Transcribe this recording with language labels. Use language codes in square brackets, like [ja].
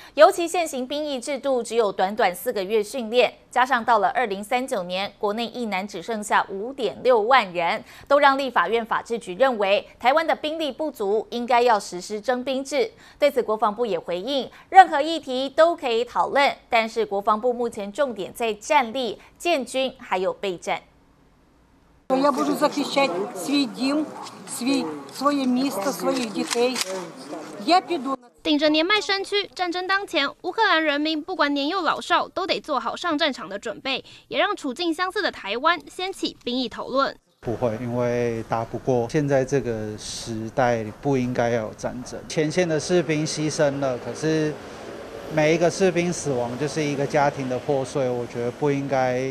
[zh] 尤其现行兵役制度只有短短4个月训练，加上到了2039年，国内役男只剩下5.6万人，都让立法院法制局认为台湾的兵力不足，应该要实施征兵制。对此，国防部也回应，任何议题都可以讨论，但是国防部目前重点在战力、建军还有备战。 [ru] Я буду захищать свой дом, свое место, своих детей. Я пойду. [zh] 顶着年迈身躯，战争当前，乌克兰人民不管年幼老少，都得做好上战场的准备，也让处境相似的台湾掀起兵役讨论。不会，因为打不过。现在这个时代不应该要有战争。前线的士兵牺牲了，可是每一个士兵死亡就是一个家庭的破碎，我觉得不应该，